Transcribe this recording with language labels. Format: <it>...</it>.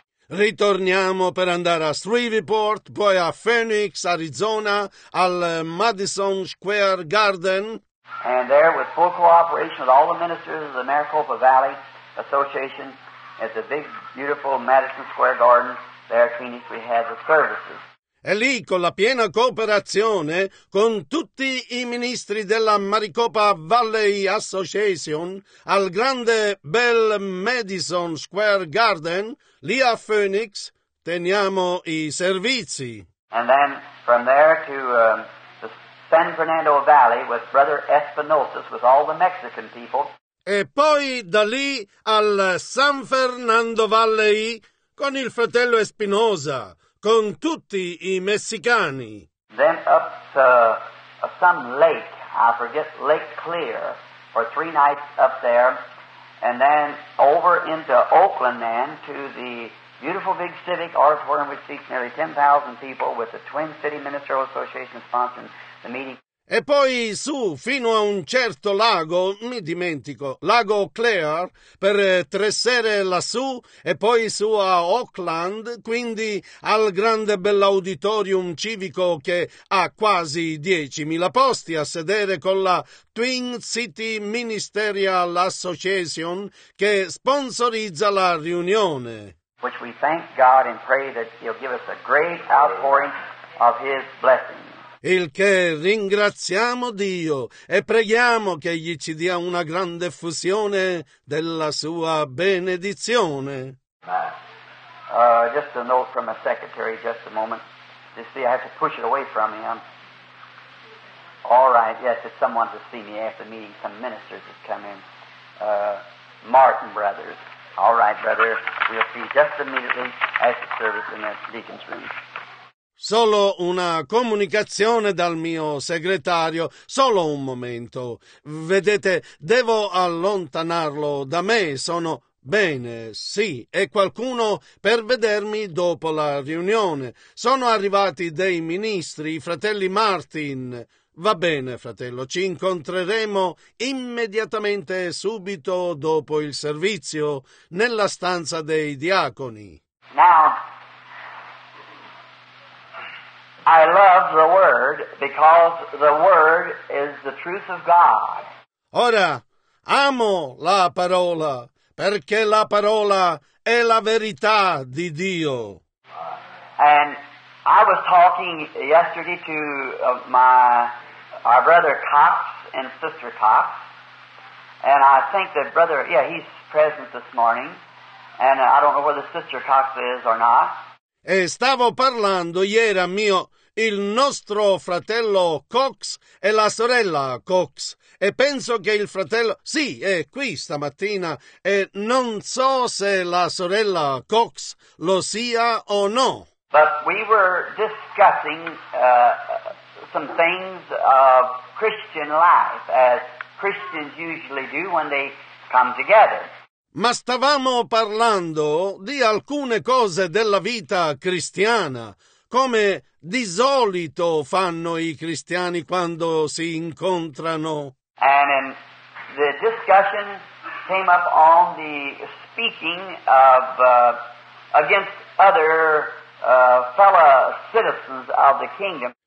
<it>Ritorniamo per andare a Shreveport, poi a Phoenix, Arizona, al Madison Square Garden.</it> <en>And there, with full cooperation with all the ministers of the Maricopa Valley Association, at the big, beautiful Madison Square Garden, there at Phoenix, we had the services.</en> <it>E lì, con la piena cooperazione, con tutti i ministri della Maricopa Valley Association, al grande bel Madison Square Garden, lì a Phoenix, teniamo i servizi.</it> <en>And then, from there to the San Fernando Valley with Brother Espinosa, with all the Mexican people.</en> <it>E poi, da lì, al San Fernando Valley, con il fratello Espinosa. Con tutti i messicani.</it> <en>Then up to some lake, I forget, Lake Clear, for three nights up there. And then over into Oakland then, to the beautiful big civic auditorium which seats nearly 10,000 people with the Twin City Ministerial Association sponsoring the meeting.</en> <it>E poi su, fino a un certo lago, mi dimentico, Lago Clear, per tre sere lassù, e poi su a Oakland, quindi al grande bell'auditorium civico che ha quasi 10.000 posti a sedere con la Twin City Ministerial Association che sponsorizza la riunione.</it> <en>Which we thank God and pray that He'll give us a great outpouring of his blessing.</en> <it>Il che ringraziamo Dio e preghiamo che egli ci dia una grande effusione della sua benedizione.</it> <en>Just a note from a secretary, just a moment. You see, I have to push it away from him. All right, yes, it's someone to see me after the meeting. Some ministers have come in. Martin Brothers. All right, brother, we'll see just immediately at the service in the deacon's room.</en> <it>Solo una comunicazione dal mio segretario, solo un momento. Vedete, devo allontanarlo da me, sono bene, sì, e qualcuno per vedermi dopo la riunione. Sono arrivati dei ministri, i fratelli Martin. Va bene, fratello, ci incontreremo immediatamente subito dopo il servizio nella stanza dei diaconi.</it> <en>Now, I love the word because the word is the truth of God.</en> <it>Ora, amo la parola perché la parola è la verità di Dio.</it> <en>And I was talking yesterday to my our brother Cox and sister Cox, and I think that brother, yeah, he's present this morning, and I don't know whether sister Cox is or not.</en> <it>E stavo parlando ieri a mio il nostro fratello Cox e la sorella Cox, e penso che il fratello, sì, è qui stamattina, e non so se la sorella Cox lo sia o no.</it> <en>But we were discussing some things of Christian life, as Christians usually do when they come together.</en> <it>Ma stavamo parlando di alcune cose della vita cristiana, come di solito fanno i cristiani quando si incontrano.</it> <en>And in the discussion came up on the speaking of against other fellow citizens of the kingdom.</en>